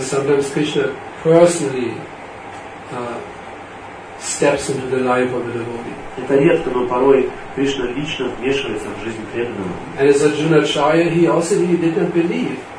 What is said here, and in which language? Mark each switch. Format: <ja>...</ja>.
<en>Sometimes Krishna personally steps into the life of the devotee.</en> <ru>Это редко, но порой Кришна лично вмешивается в жизнь преданного.</ru> <en>And as Arjunacharya, he also he didn't believe.</en>